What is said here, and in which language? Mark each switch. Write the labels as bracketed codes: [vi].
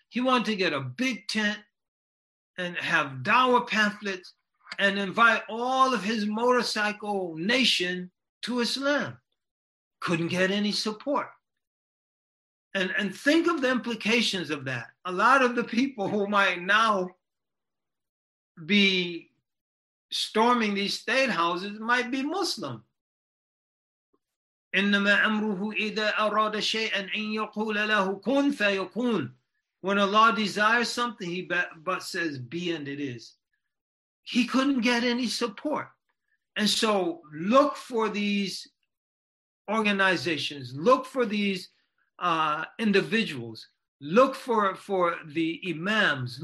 [en] He wanted to get a big tent and have dawah pamphlets and invite all of his motorcycle nation to Islam. Couldn't get any support. And think of the implications of that. A lot of the people who might now be storming these state houses might be Muslim. [ar] إِنَّمَا أَمْرُهُ إِذَا أَرَادَ شَيْئًا أَنْ يَقُولَ لَهُ كُنْ فَيَكُونَ. [en] When Allah desires something, but says, be and it is. He couldn't get any support. And so look for these organizations. Look for these individuals. Look for the imams.